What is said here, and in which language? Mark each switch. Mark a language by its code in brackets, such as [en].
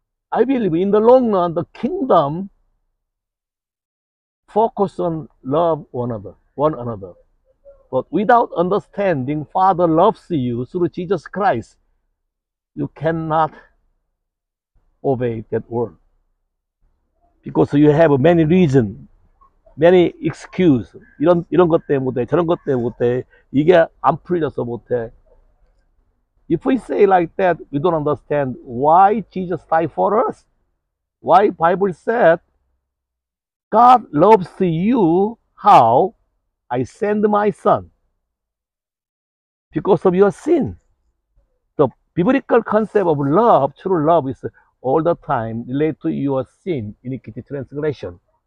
[en] I believe in the long run, the kingdom focus on love one another. One another. But without understanding Father loves you through Jesus Christ, you cannot obey that word. Because you have many reasons, many excuses. [ko] 이런 것 때문에 못해, 저런 것 때문에 못해, 이게 안 풀려서 못해. [en] If we say like that, we don't understand why Jesus died for us. Why Bible said, God loves you how I send my son. Because of your sin. The biblical concept of love, true love, is all the time related to your sin, iniquity, transgression.